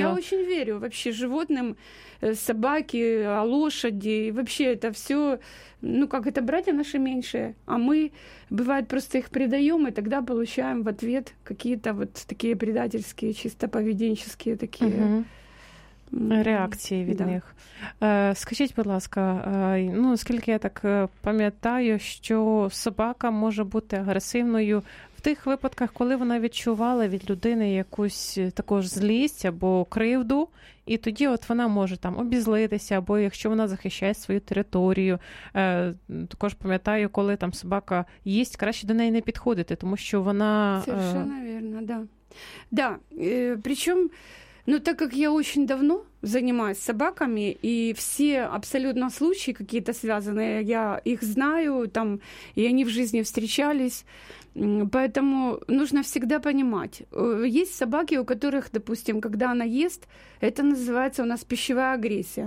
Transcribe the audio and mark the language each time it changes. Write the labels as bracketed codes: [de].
[ru] Я очень верю вообще животным, собаки, лошади. Вообще это все, ну как, это братья наши меньшие. А мы, бывает, просто их предаем, и тогда получаем в ответ какие-то вот такие предательские, чисто поведенческие такие... [uk] Реакції від них. Скажіть, будь ласка, ну, оскільки я так пам'ятаю, що собака може бути агресивною в тих випадках, коли вона відчувала від людини якусь також злість або кривду, і тоді от вона може там обізлитися, або якщо вона захищає свою територію. Також пам'ятаю, коли там собака їсть, краще до неї не підходити, тому що вона... [ru] Совершенно верно, да. Да, причому... Ну, так как я очень давно занимаюсь собаками, и все абсолютно случаи какие-то связанные, я их знаю, там, и они в жизни встречались, поэтому нужно всегда понимать. Есть собаки, у которых, допустим, когда она ест, это называется у нас пищевая агрессия.